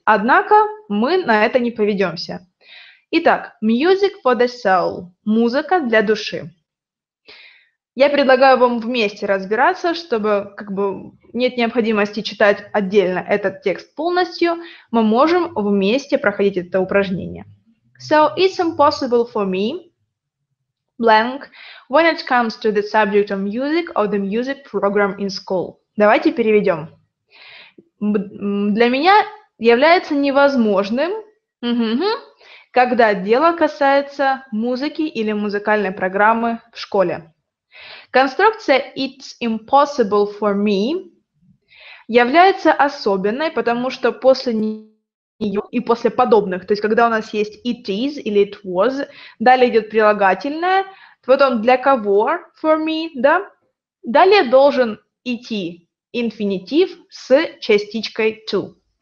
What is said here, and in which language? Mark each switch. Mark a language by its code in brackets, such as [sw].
[ru] Однако мы на это не поведемся. Итак, [en] music for the soul [ru] – музыка для души. Я предлагаю вам вместе разбираться, чтобы как бы нет необходимости читать отдельно этот текст полностью, мы можем вместе проходить это упражнение. [en] So it's impossible for me, blank, when it comes to the subject of music or the music program in school. [ru] Давайте переведем. Для меня является невозможным, когда дело касается музыки или музыкальной программы в школе. Конструкция [en] «it's impossible for me» [ru] является особенной, потому что после нее и после подобных, то есть когда у нас есть [en] «it is» [ru] или [en] «it was», [ru] далее идет прилагательное, потом «для кого» [en] «for me», [ru] да, далее должен идти инфинитив с частичкой «to».